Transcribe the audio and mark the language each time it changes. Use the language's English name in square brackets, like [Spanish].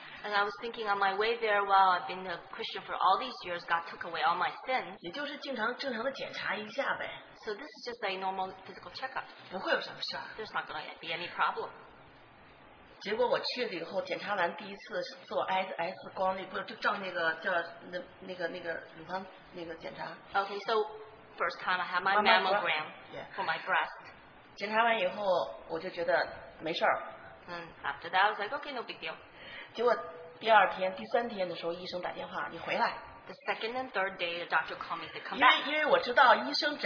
[English] And I was thinking on my way there, while I've been a Christian for all these years, God took away all my sins. [Chinese] 也就是正常的检查一下呗。 [English] So this is just a normal physical checkup. [Chinese] 不会有什么事儿。 [English] There's not going to be any problem. [Chinese] 结果我去了以后，检查完第一次做X光，那不就照那个叫那个乳房那个检查。 [English] Okay, so first time I had my mammogram for my breast. [Chinese] 检查完以后，我就觉得没事儿。 [English] After that, I was like, okay, no big deal. [Chinese] 结果第二天、第三天的时候，医生打电话，你回来。 [English] The second and third day, the doctor called me to come back.